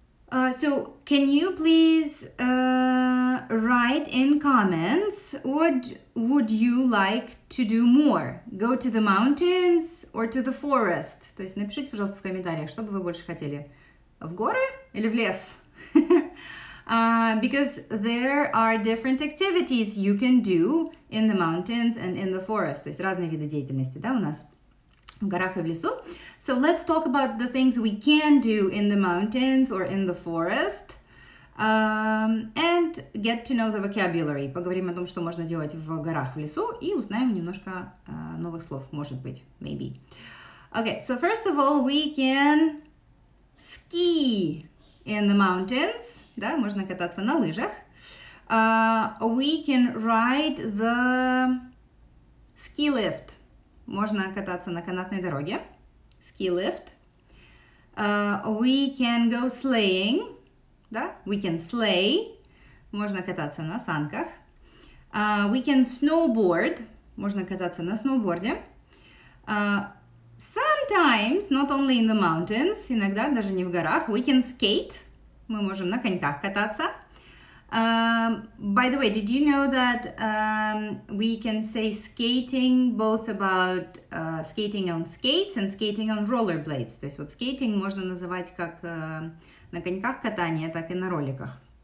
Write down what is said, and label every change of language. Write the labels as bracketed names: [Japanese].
[English] So, can you please write in comments what would you like to do more? Go to the mountains or to the forest? [Russian] То есть напишите, пожалуйста, в комментариях, что бы вы больше хотели. В горы или в лес? [English] Because there are different activities you can do in the mountains and in the forest. [Russian] То есть разные виды деятельности, да, у нас в горах и в лесу. [English] So let's talk about the things we can do in the mountains or in the forest. And get to know the vocabulary. [Russian] Поговорим о том, что можно делать в горах, в лесу, и узнаем немножко новых слов, может быть, maybe. [English] Okay, so first of all, we can ski in the mountains. [Russian] Да, можно кататься на лыжах. [English] We can ride the ski lift. [Russian] Можно кататься на канатной дороге. [English] Ski lift. We can go sleighing. [Russian] Да? [English] We can sleigh. [Russian] Можно кататься на санках. [English] We can snowboard. [Russian] Можно кататься на сноуборде. [English] Sometimes, not only in the mountains, [Russian] иногда даже не в горах, [English] we can skate. [Russian] Мы можем на коньках кататься. [English] By the way, did you know that we can say skating both about skating on skates and skating on rollerblades? [Russian] То есть вот skating можно называть как на коньках катание, так и на роликах.